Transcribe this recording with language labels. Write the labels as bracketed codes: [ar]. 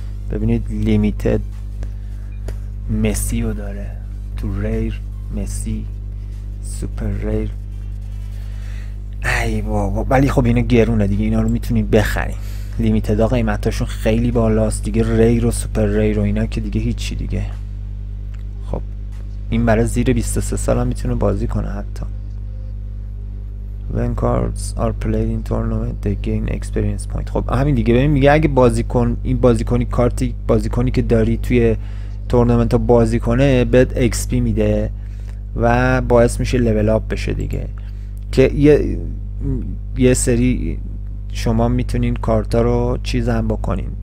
[fa] ببینید لیمیتد مسی رو داره تو ریر، مسی سوپر ریر، ای بابا. ولی خب اینا گرونه دیگه، اینا رو میتونیم بخریم. لیمیتدا قیمتاشون خیلی بالاست دیگه، ریر و سوپر ریر و اینا که دیگه هیچی دیگه. این برای زیر 23 سال هم میتونه بازی کنه حتی. [en] When cards are played in tournament they gain experience point. [fa] خب همین دیگه، ببین میگه اگه بازیکن این بازیکنی کارتی بازیکنی که داری توی تورنمنت ها بازی کنه بهت XP میده و باعث میشه لول اپ بشه دیگه، که یه سری شما میتونین کارتا رو چیز هم بکنین.